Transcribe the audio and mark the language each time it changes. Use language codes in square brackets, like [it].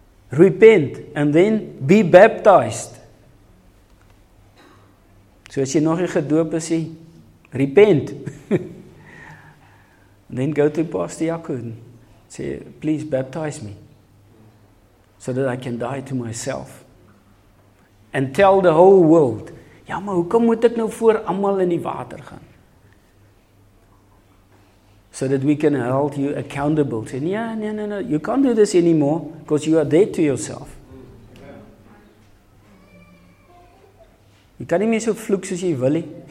[en] Repent and then be baptized. So [af] as jy nog nie gedoop is, repent. [en] Then go to Pastor Jaco and say, please baptize me so that I can die to myself. And tell the whole world, [af] ja, maar hoekom moet ek nou voor allemaal in die water gaan? [en] So that we can hold you accountable. Say, yeah, no, no, no. You can't do this anymore because you are dead to yourself. You can't even [af] so vloek soos jy wil nie.